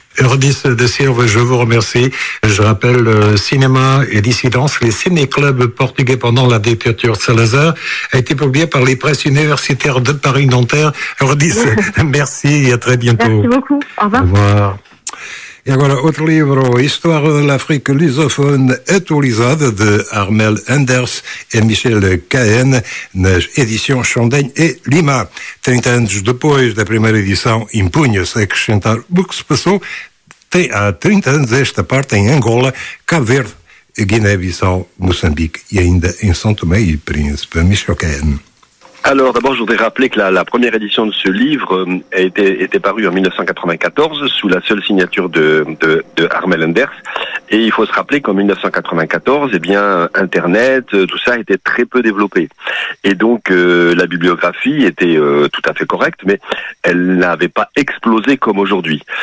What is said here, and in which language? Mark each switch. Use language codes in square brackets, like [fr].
[fr] Eurydice de Silva, je vous remercie. Je rappelle Cinéma et Dissidence, les ciné-clubs portugais pendant la dictature Salazar, a été publié par les presses universitaires de Paris-Nanterre. Eurydice, merci et à très bientôt. Merci beaucoup. Au revoir. Au revoir. Et voilà, autre livre, Histoire de l'Afrique lusophone et autorisée de Armel Enders et Michel Cahen, édition Chandaigne et Lima. [pt] 30 ans depois da primeira edição, impunha-se acrescentar o que se passou há 30 anos esta parte em Angola, Cabo Verde, Guiné-Bissau, Moçambique e ainda em São Tomé e Príncipe, Michel Cahen. [fr] Alors d'abord, je voudrais rappeler que la première édition de ce livre était parue en 1994 sous la seule signature de Armel Enders. Et il faut se rappeler qu'en 1994, eh bien, Internet, tout ça était très peu développé. Et donc, la bibliographie était tout à fait correcte, mais elle n'avait pas explosé comme aujourd'hui.